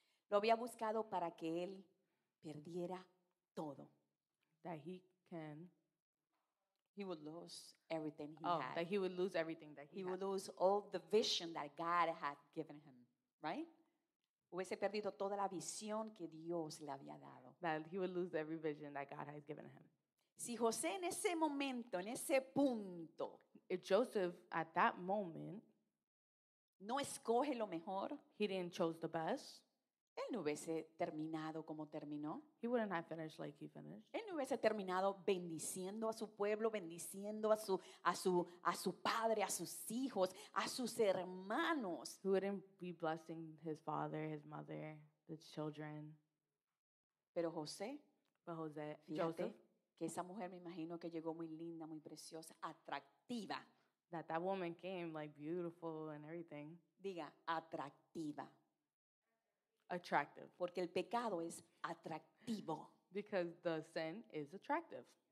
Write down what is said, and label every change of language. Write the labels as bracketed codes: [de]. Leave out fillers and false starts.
[es] Lo había buscado para que él perdiera todo. [en] That he can. He would lose everything he oh, had. That he would lose everything that he had. He would lose all the vision that God had given him. Right? [es] Hubiese perdido toda la visión que Dios le había dado. [en] That he would lose every vision that God has given him. [es] Si José en ese momento, en ese punto. [en] If Joseph at that moment. [es] No escoge lo mejor. [en] He didn't choose the best. [es] Él no hubiese terminado como terminó. [en] He wouldn't have finished like he finished. [es] Él no hubiese terminado bendiciendo a su pueblo, bendiciendo a su padre, a sus hijos, a sus hermanos. [en] He wouldn't be blessing his father, his mother, the children. [es] Pero José. [en] But José. [es] Fíjate [en] Joseph, [es] que esa mujer me imagino que llegó muy linda, muy preciosa, atractiva. [en] That woman came like beautiful and everything. [es] Diga, atractiva. [en] attractive. [es] Porque el pecado es atractivo. [en] Because the sin is attractive.